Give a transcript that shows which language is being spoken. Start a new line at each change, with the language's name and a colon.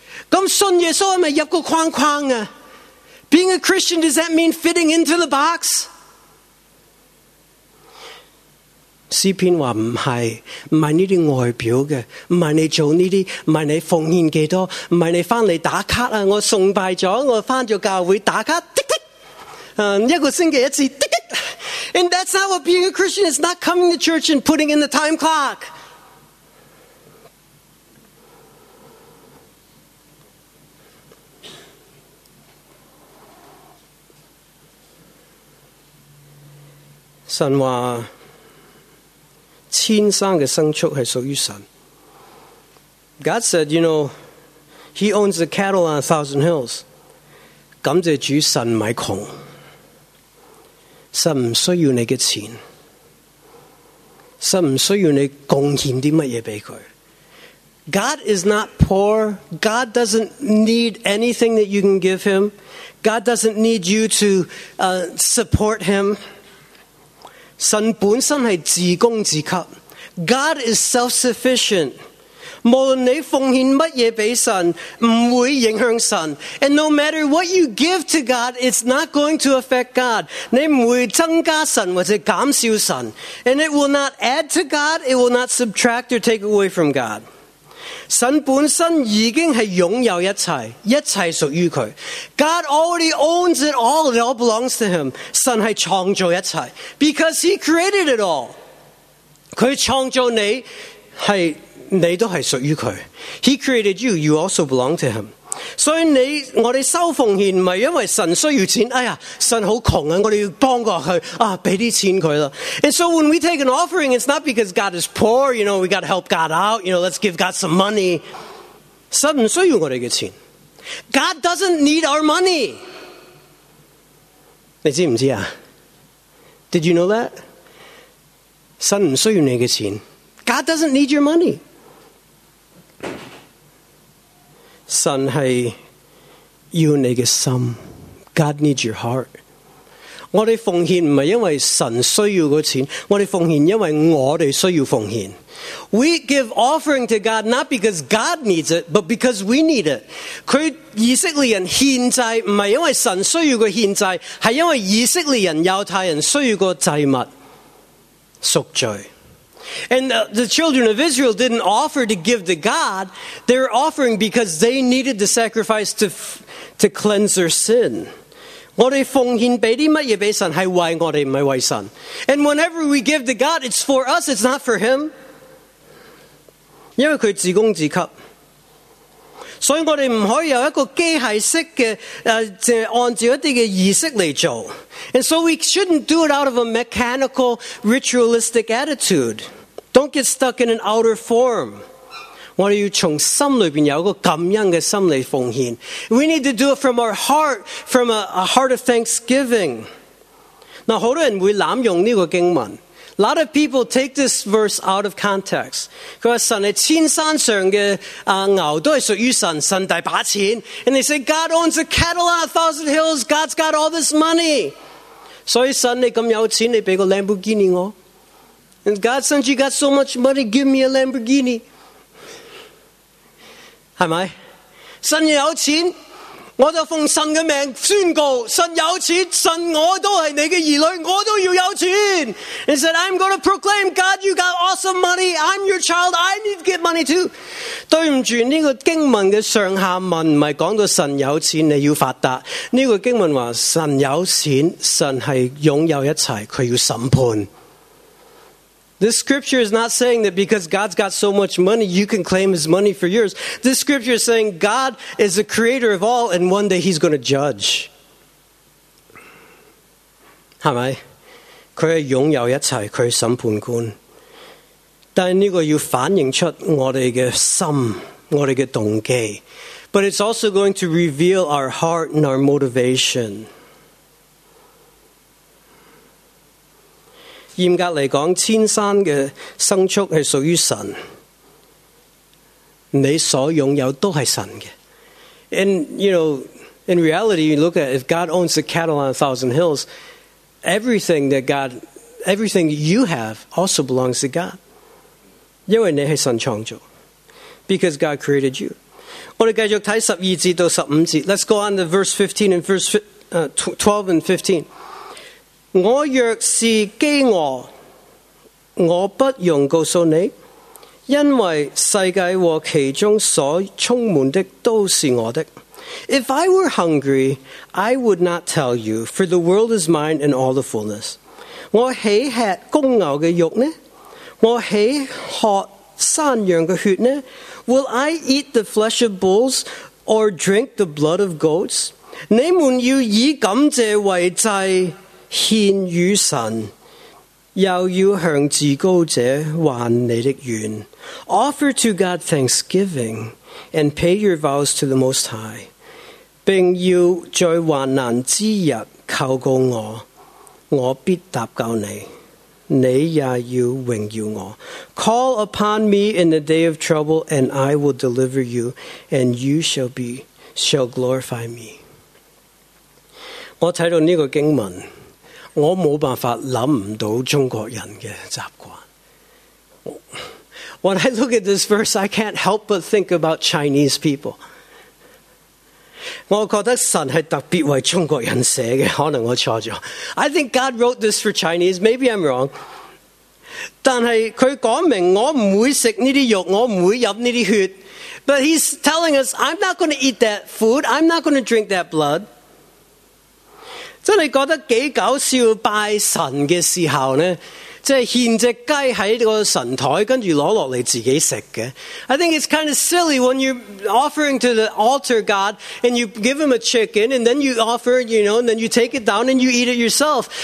Chinese: 咁信耶稣系咪入个框框啊
English: ？Being a Christian, does that mean fitting into the box?
Chinese: 诗篇话唔系，唔系呢啲外表嘅，唔系你做呢啲，唔系你奉献几多，唔系你翻嚟打卡啊！我崇拜咗，我翻咗教会打卡。一个星期一次
English: And that's not what being a Christian is, not coming to church and putting in the time clock.
Chinese: 神话千山的牲畜是属于神。
English: God said, you know, he owns the cattle on a thousand hills.
Chinese: 感谢主神不是穷，神唔需要你嘅钱，神唔需要你贡献啲乜嘢俾佢。
English: God is not poor. God doesn't need anything that you can give him. God doesn't need you to support him.
Chinese: 神本身系自供自给。
English: God is self-sufficient.
Chinese: 无论你奉献乜嘢俾神，唔会影响神。
English: And no matter what you give to God, it's not going to affect God.
Chinese: 你唔会增加神或者减少神。
English: And it will not add to God, it will not subtract or take away from God.
Chinese: 神本身已经是拥有一切，一切属于祂。
English: God already owns it all. It all belongs to him.
Chinese: 神是创造一切，
English: because he created it all.
Chinese: 祂创造你，是你都是属于祂。
English: He created you. You also belong to him.
Chinese: 所以你，我们收奉献不是因为神需要钱，哎呀，神好穷啊，我们要帮过祂，啊，给点钱祂了。
English: And so when we take an offering, it's not because God is poor, you know, we got to help God out, you know, let's give God some money.
Chinese: 神不需要我们的钱。
English: God doesn't need our money.
Chinese: 你知不知道？
English: Did you know that?
Chinese: 神不需要你的钱。
English: God doesn't need your money.
Chinese: 神是要你的心。
English: God needs your heart.
Chinese: 我们奉献不是因为神需要的钱，我们奉献因为我们需要奉献。
English: We give offering to God not because God needs it, but because we need it.
Chinese: 他以色列人献祭不是因为神需要的献祭，是因为以色列人犹太人需要的祭物，赎罪。
English: And the children of Israel didn't offer to give to God. They were offering because they needed the sacrifice to cleanse their sin.
Chinese: 我们奉献给什么给神，是为我们，不是为神。
English: And whenever we give to God, it's for us, it's not for him.
Chinese: 因为他自供自给。所以我们不可以有一个机械式的按照一些仪式来做。
English: And so we shouldn't do it out of a mechanical, ritualistic attitude. Don't get stuck in an outer form.
Chinese: 我们要从心里面有一个感恩的心来奉献。
English: We need to do it from our heart, from a heart of thanksgiving.
Chinese: 那很多人会滥用这个经文。
English: A lot of people take this verse out of context.
Chinese: 他说神是千山上的牛都是属于神，神大把钱。
English: And they say, God owns a cattle on a thousand hills. God's got all this money.
Chinese: 所以神你这么有钱，你给个 Lamborghini 我。
English: And God, since you got so much money, give me a Lamborghini.
Chinese: 是吗？神有钱，我就奉神的名宣告，神有钱，神我都是你的儿女，我都要有钱。
English: He said, I'm going to proclaim, God, you got awesome money, I'm your child, I need to get money too.
Chinese: 对不住，这个经文的上下文不是讲到神有钱你要发达，这个经文说神有钱，神是拥有一切，他要审判。
English: This scripture is not saying that because God's got so much money, you can claim his money for yours. This scripture is saying God is the creator of all, and one day he's going to judge.
Chinese: 是吗？他是拥有一切，他是审判官。但这个要反映出我们的心，我们的动机。
English: But it's also going to reveal our heart and our motivation.
Chinese: 严格来讲，千山的牲畜是属于神，你所拥有都是神的。
English: And you know, in reality, you look at if God owns the cattle on a thousand hills, everything that God, everything you have also belongs to God.
Chinese: 因为你是神创造，
English: because God created you.
Chinese: 我们继续看十二节到十五节。
English: Let's go on to verse 15 and verse 12 and 15.
Chinese: 我若是饥饿，我不用告诉你，因为世界和其中所充满的都是我的。
English: If I were hungry, I would not tell you, for the world is mine and all the fullness.
Chinese: 我喜吃公牛的肉呢？我喜喝山羊的血呢？
English: Will I eat the flesh of bulls or drink the blood of goats?
Chinese: 你们要以感谢为祭献与神，又要向至高者还你的愿。
English: Offer to God thanksgiving and pay your vows to the Most High,
Chinese: 并要在患难之日求告我，我必答救你，你也要荣耀我。
English: Call upon me in the day of trouble, and I will deliver you, and you shall glorify me.
Chinese: 我看到这个经文，我冇办法谂唔到中国人嘅习惯。
English: When I look at this verse, I can't help but think about Chinese people.
Chinese: 我觉得神系特别为中国人写嘅，可能我错咗。
English: I think God wrote this for Chinese. Maybe I'm wrong.
Chinese: 但是他讲明我不会吃这些肉，我不会饮这些血。
English: But he's telling us, I'm not going to eat that food, I'm not going to drink that blood.
Chinese: 真的觉得几搞笑，拜神的时候呢，即是献只鸡喺个神台，跟住攞落嚟自己食嘅。
English: I think it's kind of silly when you're offering to the altar God and you give him a chicken and then you offer, you know, and then you take it down and you eat it yourself.